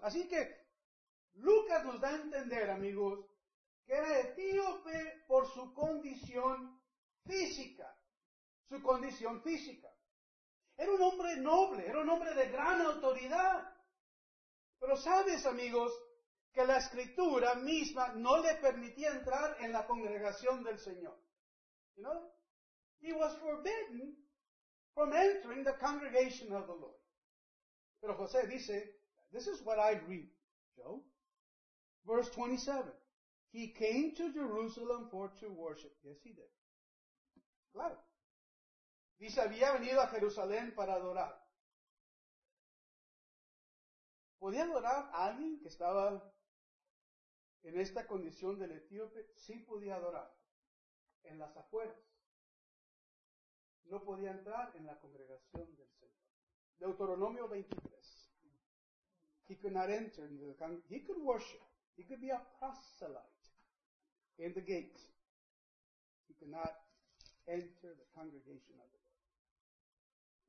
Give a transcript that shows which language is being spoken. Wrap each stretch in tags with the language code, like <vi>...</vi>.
<es>Así que Lucas nos da a entender, amigos, que era etíope por su condición física. Su condición física. Era un hombre noble, era un hombre de gran autoridad. Pero sabes, amigos, que la escritura misma no le permitía entrar en la congregación del Señor.</es> <en>You know, he was forbidden from entering the congregation of the Lord.</en> <es>Pero José dice,</es> <en>this is what I read, Joe. Verse 27. He came to Jerusalem for to worship. Yes, he did. Claro.</en> <es>Dice, había venido a Jerusalén para adorar. ¿Podía adorar a alguien que estaba en esta condición del etíope? Sí podía adorar. En las afueras. No podía entrar en la congregación del Señor. Deuteronomio 23.</es> <en>He could not enter into the congregation. He could worship. He could be a proselyte in the gate. He could not enter the congregation of the Lord.</en>